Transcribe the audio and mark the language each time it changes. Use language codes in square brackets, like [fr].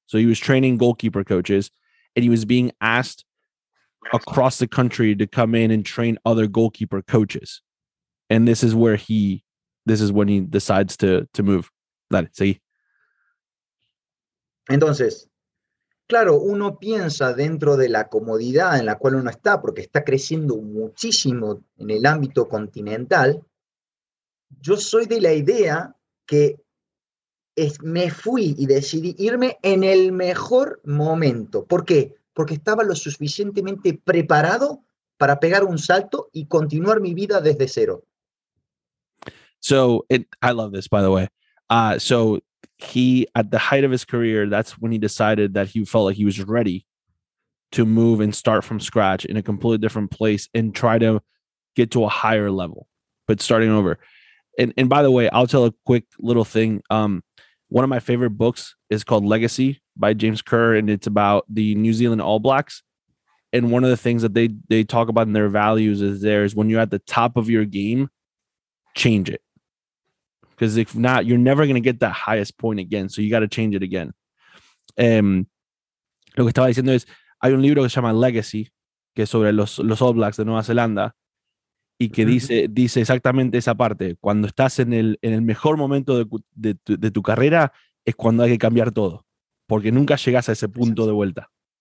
[en] So he was training goalkeeper coaches, and he was being asked across the country to come in and train other goalkeeper coaches. And this is where he decides to move. [es] Dale, seguí. Entonces, claro, uno piensa dentro de la comodidad en la cual uno está, porque está creciendo muchísimo en el ámbito continental. Yo soy de la idea que me fui y decidí irme en el mejor momento. ¿Por qué? Porque estaba lo suficientemente preparado para pegar un salto y continuar mi vida desde cero. [en] So, I love this, by the way. He, at the height of his career, that's when he decided that he felt like he was ready to move and start from scratch in a completely different place and try to get to a higher level, but starting over. And by the way, I'll tell a quick little thing. One of my favorite books is called Legacy by James Kerr, and it's about the New Zealand All Blacks. And one of the things that they talk about in their values is when you're at the top of your game, change it. Because if not, you're never going to get that highest point again. So you got to change it again. [es] Lo que estaba diciendo es, hay un libro que se llama Legacy, que es sobre los All Blacks de Nueva Zelanda, y que dice exactamente esa parte. Cuando estás en el mejor momento de tu carrera, es cuando hay que cambiar todo. Porque nunca llegas a ese punto de vuelta.